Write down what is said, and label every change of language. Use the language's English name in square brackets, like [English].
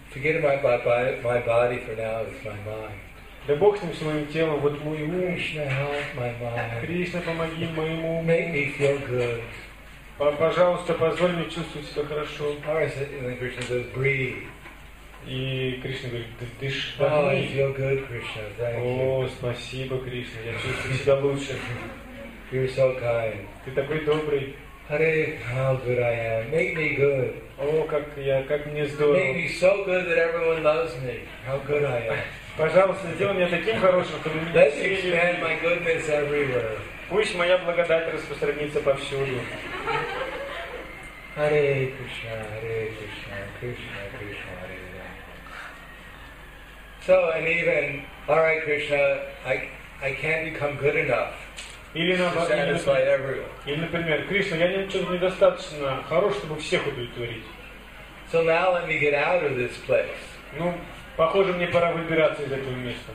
[English] Forget my body for now, it's my mind. [Russian] Да Бог с ним, с моим телом, вот мой ум. [English] Krishna, help my mind. [Russian] Кришна, помоги моему уму. [English] Make me feel good. [Russian] Пожалуйста, позволь мне чувствовать себя хорошо. [English] Or is it, and then Krishna says, breathe. [Russian] И Кришна говорит, дыши. [English] Oh, I feel good, Krishna. Thank you. [Russian] О, спасибо, Кришна. Я чувствую себя лучше. [English] You're so kind. [Russian] Ты такой добрый. [English] Hare, how good I am. Make me good. [Russian] О, как я, как мне здорово. [English] Make me so good that everyone loves me. How good I am. [Russian] Пожалуйста, сделай меня таким хорошим, чтобы меня [English] Let's [Russian] все любили. [English] Expand my goodness everywhere. [Russian] Пусть моя благодать распространится повсюду. [Sanskrit] Hare Krishna, Hare Krishna, Krishna Krishna, Hare Rama. [English] So, and even, all right, Krishna, I can't become good enough. [Russian] Или, например, Кришна, я недостаточно хорош, чтобы всех удовлетворить. [English] So now let me get out of this place. [Russian] Ну, похоже, мне пора выбираться из этого места.